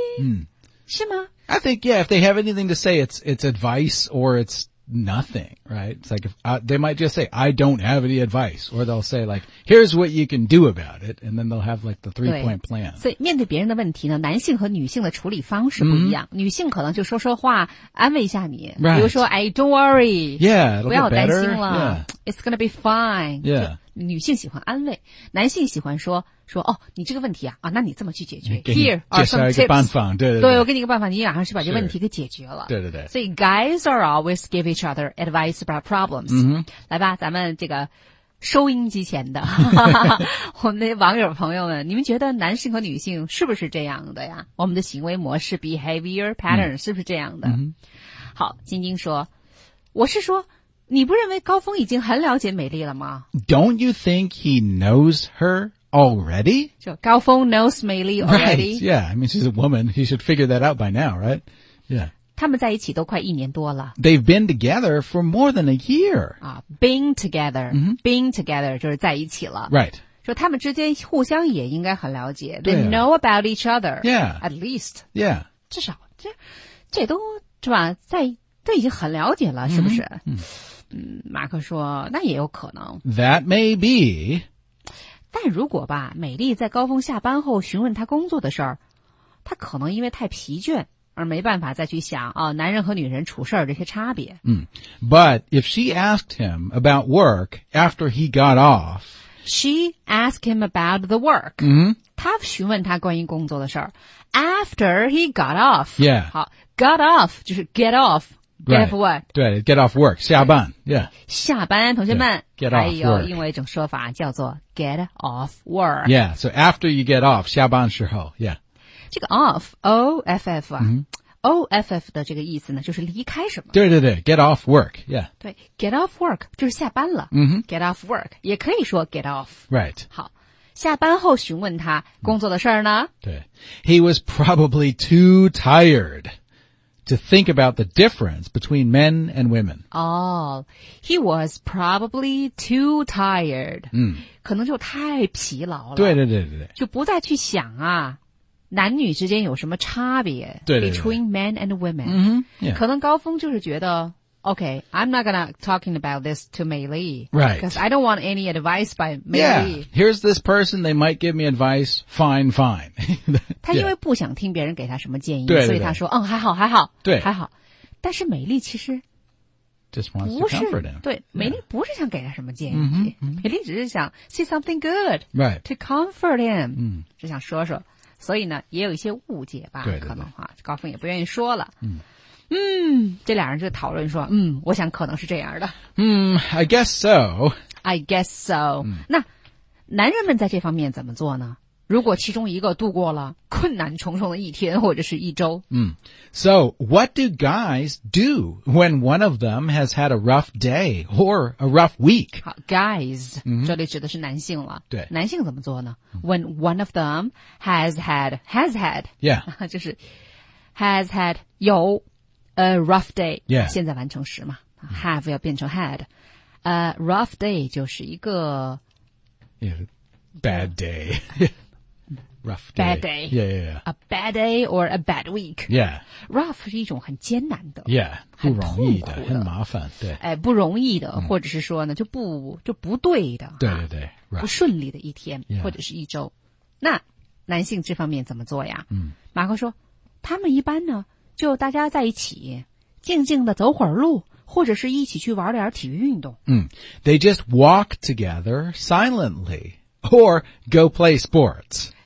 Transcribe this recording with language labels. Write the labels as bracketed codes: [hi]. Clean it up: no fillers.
[zh] Mm. 是吗 [en] I think, yeah, if they have anything to say, it's advice or it's nothing, right? It's like, they might just say, I don't have any advice. Or they'll say like, here's what you can do about it. And then they'll have like the 3-point plan. [zh] 所以面对别人的问题呢，男性和女性的处理方式不一样。女性可能就说说话，安慰一下你。 [en] Right. [zh] 比如说，哎， [en] don't worry. Yeah, it'll better. [zh] 不要担心了。 [en] Yeah. It's gonna be fine. Yeah. [zh] 女性喜欢安慰，男性喜欢说说哦，你这个问题啊啊，那你这么去解决 ？ [en] Here are some tips. [zh] 一个办法，对对对，我给你一个办法，你马上去把这个问题给解决了。对对对。所以 [en] guys are always give each other advice about problems.、 Mm-hmm. [zh] 来吧，咱们这个收音机前的我们的网友朋友们，你们觉得男性和女性是不是这样的呀？我们的行为模式 behavior pattern、 mm-hmm. 是不是这样的？ Mm-hmm. 好，晶晶说，我是说。你不认为高峰已经很了解美丽了吗 [en] ？Don't you think he knows her already? [zh] 就高峰 knows 美丽 already. [en] Right, yeah, I mean she's a woman. He should figure that out by now, right? Yeah. [zh] 他们在一起都快一年多了。 [en] They've been together for more than a year. 啊 ，been together,、 mm-hmm. been together [zh] 就是在一起了。 [en] Right. [zh] 说他们之间互相也应该很了解。 [en] They know about each other. Yeah. At least. Yeah. [zh] 至少这都是吧，在都已经很了解了，是不是？ Mm-hmm. 嗯，马克说，那也有可能。 [en] That may be. [zh] 但如果吧，美丽在高峰下班后询问他工作的事儿，他可能因为太疲倦而没办法再去想啊，男人和女人处事儿这些差别。 [en] 嗯 ，But if she asked him about work after he got off, she asked him about the work. 嗯、mm-hmm. ， [zh] 他询问他关于工作的事儿 ， [en] after he got off. Yeah. 好 ，got off 就是 get off。Get off work. 对 ,get off work, 下班 yeah. [zh] 下班同学们 [en] yeah, get off [zh] 还有另外一种说法叫做 [en] get off work. Yeah, so after you get off, [zh] 下班时候 [en] yeah. [zh] 这个 off, O-F-F 啊、 mm-hmm. O-F-F 的这个意思呢就是离开什么。对对对 [en] ,get off work, yeah. [zh] 对 , [en] get off work, [zh] 就是下班了、 mm-hmm. [en] ,get off work, [zh] 也可以说 [en] get off. Right. [zh] 好下班后询问他工作的事儿呢 [en] 对 ,he was probably too tired. To think about the difference between men and women. Oh, he was probably too tired. 嗯， [zh] 可能就太疲劳了。对对对对对。就不再去想啊，男女之间有什么差别？对对对。 [en] Between men and women. 嗯、mm-hmm. yeah. [zh] 可能高峰就是觉得 [en] ，Okay, I'm not gonna talking about this to Mei Li. Right. Because I don't want any advice by Mei Li. Yeah. Here's this person. They might give me advice. Fine, fine. [zh] 他因为不想听别人给他什么建议，对对对所以他说：“嗯，还好，还好，对，还好。” 但是美丽其实不是 [en] comfort him. [zh] 对、 [en] yeah. [zh] 美丽不是想给他什么建议， mm-hmm. 美丽只是想 [en] say something good right to comfort him，嗯， [zh] 只想说说。所以呢，也有一些误解吧，对对对可能哈，高峰也不愿意说了。嗯嗯，这俩人就讨论说：“嗯，我想可能是这样的。” [en] 嗯 ，I guess so. I guess so.、嗯、 [zh] 那男人们在这方面怎么做呢？如果其中一个度过了困难重重的一天或者是一周。 Mm. [en] So, what do guys do when one of them has had a rough day or a rough week? [zh] 好 guys,、mm-hmm. 这里指的是男性了。对。男性怎么做呢 ? [en] When one of them has had, yeah. [zh] 就是 [en] has had, [zh] 有 [en] a rough day. Yeah. [zh] 现在完成时嘛。Have 要变成 had. [en] A rough day [zh] 就是一个。 [en] Yeah, bad day. Rough day. Bad day. Yeah, yeah, yeah. A bad day or a bad week. Yeah. [zh] Rough 是一种很艰难的。 Yeah. 不容易的很麻烦。对。哎不容易的、嗯、或者是说呢就不对的。对对对。Rough. 不顺利的一天、 [en] yeah. [zh] 或者是一周。那男性这方面怎么做呀嗯。马克说他们一般呢就大家在一起静静的走会儿路或者是一起去玩点体育运动。嗯。 [en] They just walk together silently or go play sports.